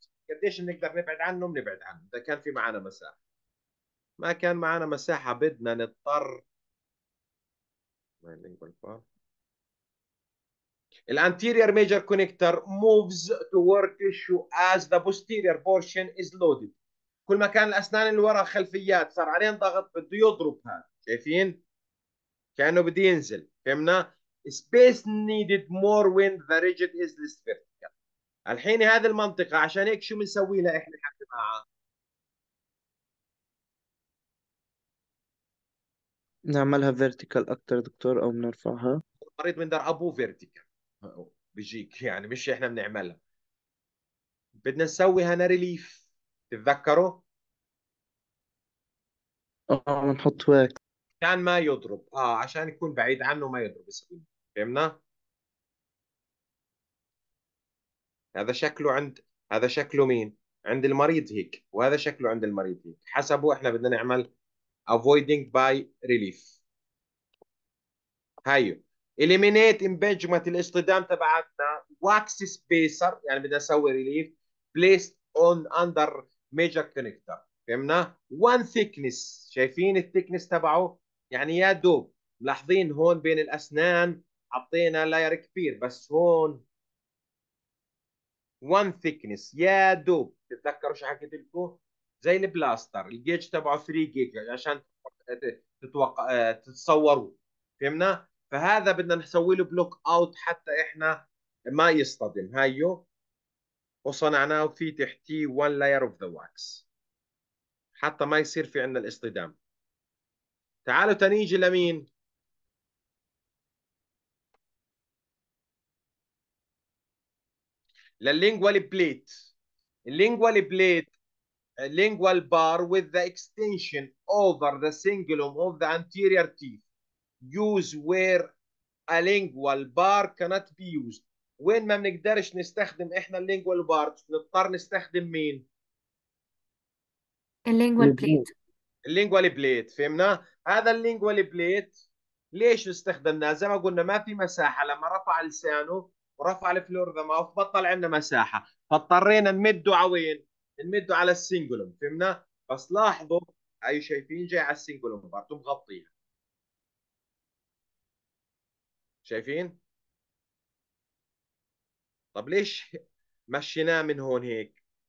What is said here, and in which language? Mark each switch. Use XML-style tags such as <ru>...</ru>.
<ar>قديش نقدر نبعد عنه؟ بنبعد عنه اذا كان في معانا مساحه. ما كان معانا مساحه بدنا نضطر الانتيريور ميجر كونكتر</ar> <en>moves toward tissue as the posterior portion is loaded.</en> <ar>كل ما كان الاسنان اللي ورا خلفيات صار عليهم ضغط بده يضرب هذا، شايفين؟ كانه بده ينزل.</ar> <en>فهمنا؟ space needed more when the rigid is less vertical.</en> <ar>الحين هذه المنطقة عشان هيك شو بنسوي لها احنا حتى معاها؟ نعملها vertical أكثر دكتور أو بنرفعها؟ المريض من دار أبوه vertical بيجيك، يعني مش احنا بنعملها. بدنا نسوي هنا ريليف، تتذكروا؟ نحط واك كان ما يضرب، عشان يكون بعيد عنه ما يضرب. فهمنا؟ هذا شكله عند، هذا شكله مين؟ عند المريض هيك، وهذا شكله عند المريض هيك، حسبه احنا بدنا نعمل</ar> <en>avoiding by relief. هيو eliminate impingement</en> <ar>الاصطدام تبعتنا،</ar> <en>wax spacer</en> <ar>يعني بدنا نسوي</ar> <en>relief placed on under major connector.</en> <ar>فهمنا؟</ar> <en>one thickness،</en> <ar>شايفين الثيكنس تبعه؟ يعني يا دوب ملاحظين هون بين الاسنان حطينا لاير كبير، بس هون one thickness يا دوب. تتذكروا شو حكيت لكم؟ زي البلاستر الجيج تبعه 3 جيجا عشان تتوقع تتصوروا. فهمنا؟ فهذا بدنا نسوي له بلوك اوت حتى احنا ما يصطدم هايو، وصنعناه في تحتيه</ar> <en>one layer of the wax</en> <ar>حتى ما يصير في عندنا الاصطدام. تعالوا تاني نيجي لمين؟ لللينجوال بليت.</ar> <en>اللينجوال plate lingual bar with the extension over the cingulum of the anterior teeth use where a lingual bar cannot be used.</en> <ar>وين ما بنقدرش نستخدم احنا اللينجوال بار نضطر نستخدم مين؟ اللينجوال بليت. اللينجوال بليت، فهمنا؟ هذا اللينجوال بليت ليش استخدمناه؟ زي ما قلنا ما في مساحه، لما رفع لسانه ورفع الفلور ذا ماوث بطل عندنا مساحه، فاضطرينا نمده على وين؟ نمده على السنجلوم، فهمنا؟ بس لاحظوا اي شايفين جاي على السنجلوم برضه مغطيها، شايفين؟ طب ليش مشيناه من هون هيك؟</ar>